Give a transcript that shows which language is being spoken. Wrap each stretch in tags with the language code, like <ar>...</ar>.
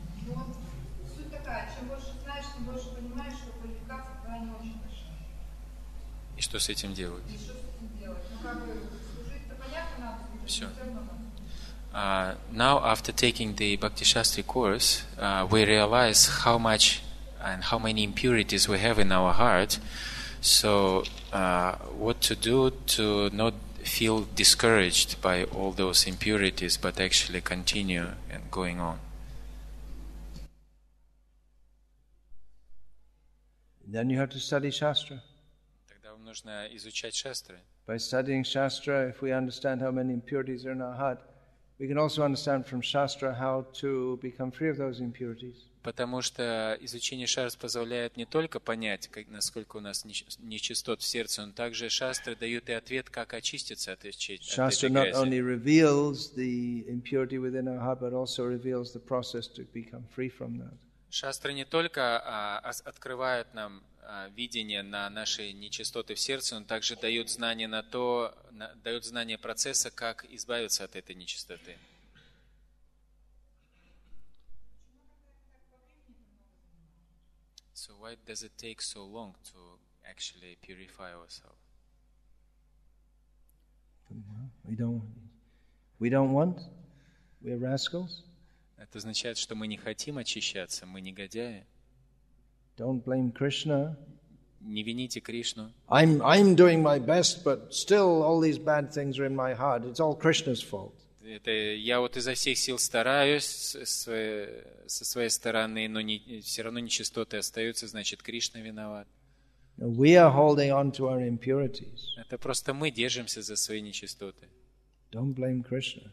<ru>Вот, суть такая, чем больше знаешь, тем больше понимаешь, что квалификация твоя не очень большая. И что с этим делать? И что с этим делать? Ну как бы, служить-то понятно надо, служить все равно.</ru> <en>Now, after taking the Bhakti Shastri course, we realize how much and how many impurities we have in our heart. So, what to do to not feel discouraged by all those impurities, but actually continue and going on. Then you have to study Shastra.</en> <ru>Тогда вам нужно изучать Шастры.</ru> <en>By studying Shastra, if we understand how many impurities are in our heart, we can also understand from Shastra how to become free of those impurities.</en> <ru>Потому что изучение шастр позволяет не только понять, как, насколько у нас нечистот в сердце, но также шастры дают и ответ, как очиститься от этой грязи.</ru> <en>Shastra not only reveals the impurity within our heart, but also reveals the process to become free from that.</en> <ru>Шастры не только открывают нам видение на наши нечистоты в сердце, но также дают знание на то, дают знание процесса, как избавиться от этой нечистоты.</ru> <en>So why does it take so long to actually purify ourselves? We don't want. We're rascals.</en> <ru>Это означает, что мы не хотим очищаться, мы негодяи.</ru> <en>Don't blame Krishna.</en> <ru>Не вините Кришну.</ru> <en>I'm doing my best, but still all these bad things are in my heart. It's all Krishna's fault.</en> <ru>Это я вот изо всех сил стараюсь со своей стороны, но не, все равно нечистоты остаются, значит, Кришна виноват.</ru> <en>We are holding on to our impurities.</en> <ru>Это просто мы держимся за свои нечистоты.</ru> <en>Don't blame Krishna.</en>